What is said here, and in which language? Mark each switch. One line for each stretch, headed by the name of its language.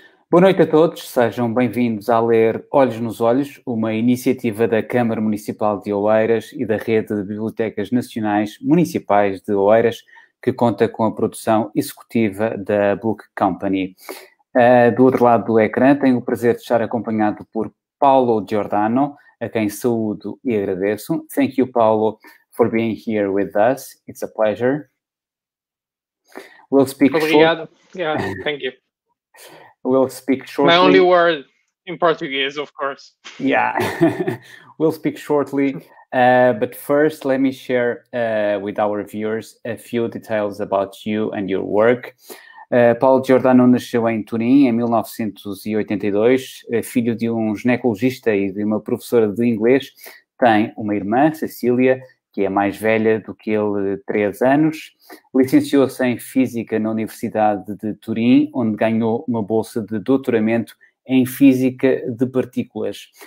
Portuguese: Boa noite a todos, sejam bem-vindos a ler Olhos nos Olhos, uma iniciativa da Câmara Municipal de Oeiras e da Rede de Bibliotecas Nacionais Municipais de Oeiras, que conta com a produção executiva da Book Company. Do outro lado do ecrã, tenho o prazer de estar acompanhado por Paolo Giordano, a quem saúdo e agradeço.
English: Thank you, Paolo, for being here with us. It's a pleasure. We'll speak shortly. Obrigado. Yeah, thank you. We'll speak My only shortly. word in Portuguese, of course. Yeah, we'll speak shortly. But first, let me share with our viewers a few details about you and your work.
Portuguese: Paolo Giordano nasceu em Turim em 1982, filho de um ginecologista e de uma professora de inglês. Tem uma irmã, Cecília, que é mais velha do que ele, 3 anos. Licenciou-se em Física na Universidade de Turim, onde ganhou uma bolsa de doutoramento em Física de Partículas.